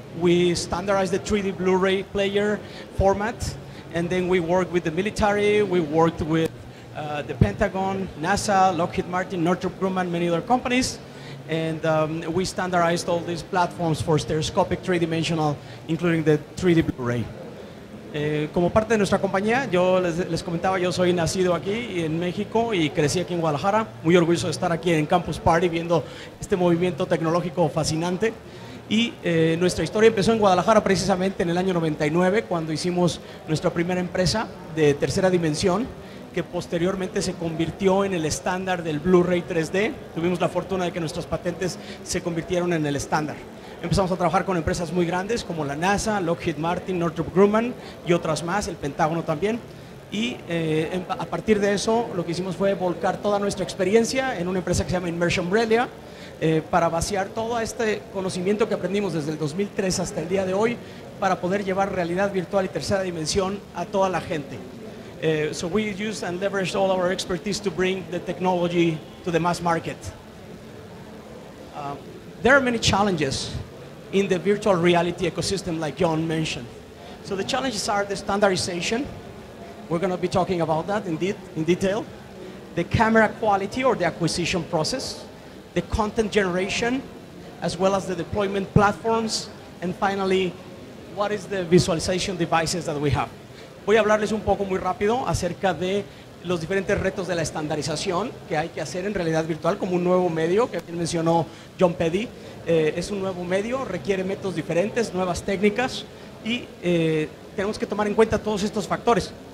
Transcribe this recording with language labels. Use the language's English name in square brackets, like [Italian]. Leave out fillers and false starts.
[English] We standardized the 3D Blu-ray player format, and then we worked with the military, we worked with the Pentagon, NASA, Lockheed Martin, Northrop Grumman, many other companies. And we standardized all these platforms for stereoscopic three-dimensional, including the 3D Blu-ray. [Spanish] Como parte de nuestra compañía, yo les comentaba, yo soy nacido aquí en México y crecí aquí en Guadalajara. Muy orgulloso de estar aquí en Campus Party viendo este movimiento tecnológico fascinante. Y nuestra historia empezó en Guadalajara precisamente en el año 99, cuando hicimos nuestra primera empresa de tercera dimensión, que posteriormente se convirtió en el estándar del Blu-ray 3D. Tuvimos la fortuna de que nuestras patentes se convirtieron en el estándar. Empezamos a trabajar con empresas muy grandes como la NASA, Lockheed Martin, Northrop Grumman y otras más, el Pentágono también. Y a partir de eso, lo que hicimos fue volcar toda nuestra experiencia en una empresa que se llama Immersion Brelia, para vaciar todo este conocimiento que aprendimos desde el 2003 hasta el día de hoy, para poder llevar realidad virtual y tercera dimensión a toda la gente. [English] So we used and leveraged all our expertise to bring the technology to the mass market. There are many challenges in the virtual reality ecosystem, like John mentioned. So the challenges are the standardization. We're going to be talking about that in detail. The camera quality or the acquisition process. The content generation, as well as the deployment platforms. And finally, what is the visualization devices that we have. [Spanish] Voy a hablarles un poco muy rápido acerca de los diferentes retos de la estandarización que hay que hacer en realidad virtual como un nuevo medio, que bien mencionó John Pedie. Es un nuevo medio, requiere métodos diferentes, nuevas técnicas, y tenemos que tomar en cuenta todos estos factores.